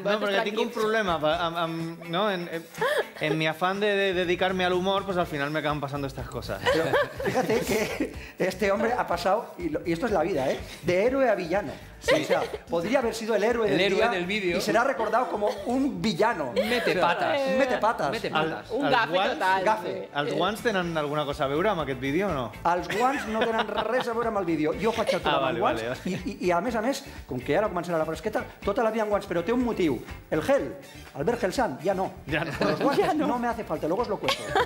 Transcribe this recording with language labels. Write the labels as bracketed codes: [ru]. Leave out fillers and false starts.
[ca] No, però ja tinc un problema amb, [es] no, en mi afán de dedicarme al humor, pues al final me acaban pasando estas cosas. Pero fíjate que este hombre ha pasado, y esto es la vida, ¿eh? De héroe a villano. Sí. O sea, podría haber sido el héroe, el del, héroe día del vídeo y será recordado como un villano. Mete patas. Mete patas. Un gafe total. Gafe. [ca] ¿Els guants tenen alguna cosa a veure amb aquest vídeo o no? Els guants no tenen res a veure amb el vídeo. Jo faig el tema amb guants. I a més, com que ara començarà la fresqueta, tota la vida amb guants, però té un motiu. El gel, Albert Gelsant, ja no. Ja no. Els guants no [es] me hace falta, luego os lo cuento.